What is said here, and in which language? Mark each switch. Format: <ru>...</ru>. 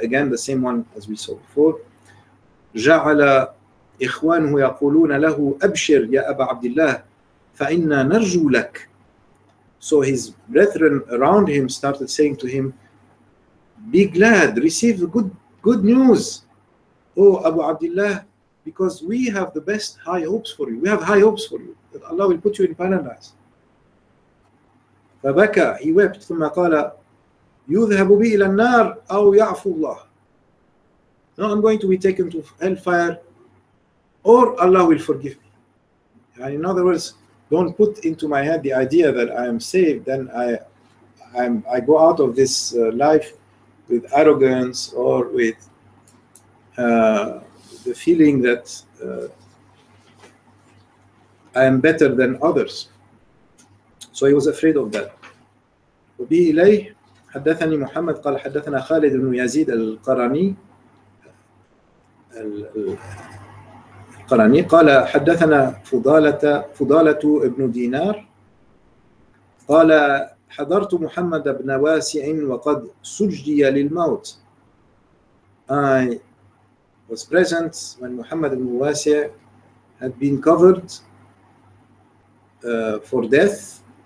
<en>Again the same one as we saw before.</en> <ar>جعل إخوانه يقولون له أبشر يا أبا عبد الله فإنا نرجو لك.</ar> <en>So his brethren around him started saying to him, be glad, receive good news, oh Abu Abdullah, because we have the best high hopes for you. We have high hopes for you that Allah will put you in paradise.</en> <ar>فبكى.</ar> <en>He wept.</en> <ar>ثم قال يذهب بي إلى النار أو يعفو الله.</ar> <en>No, I'm going to be taken to hellfire or Allah will forgive me. And in other words, don't put into my head the idea that I am saved, then I go out of this life with arrogance or with the feeling that I am better than others. So he was afraid of that.</en> <ar>وبه إليه حدثني محمد قال حدثنا خالد بن يزيد القرني القراني. قال حدثنا فضالة ابن دينار قال حضرت محمد بن واسع وقد سجدي للموت.</ar> <en>I was present when Muhammad ibn Wasi' had been covered for death.</en>